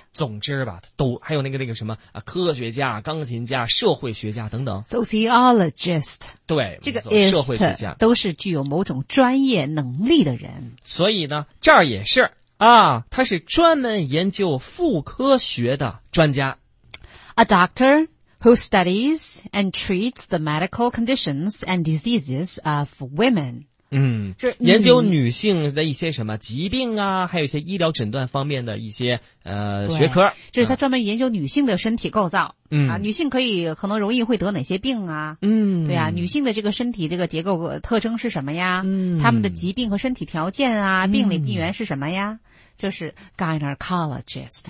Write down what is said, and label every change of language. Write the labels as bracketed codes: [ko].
[zh] 总之吧都还有那个什么、啊、科学家，钢琴家，社会学家等等， [en] sociologist， [zh] 对，这个 ist 社会学家都是具有某种专业能力的人。所以呢这儿也是啊，他是专门研究妇科学的专家， [en] a doctor who studies and treats the medical conditions and diseases of women， [zh] 研究女性的一些什么疾病啊，还有一些医疗诊断方面的一些学科，就是他专门研究女性的身体构造，女性可以可能容易会得哪些病啊，对啊，女性的这个身体这个结构特征是什么呀，他们的疾病和身体条件啊，病理病源是什么呀，就是 gynecologist，